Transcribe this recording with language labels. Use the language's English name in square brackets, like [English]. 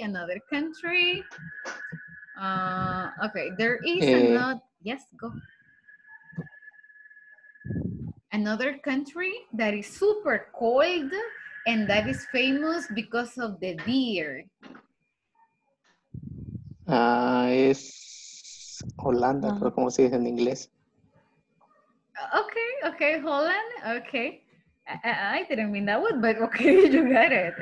[English] Another country. Okay, there is another. Yes, go. Another country that is super cold and that is famous because of the deer. [Spanish] Es Holanda, creo como se dice en inglés. [English] Okay, Holland, okay. I didn't mean that word, but okay, you got it.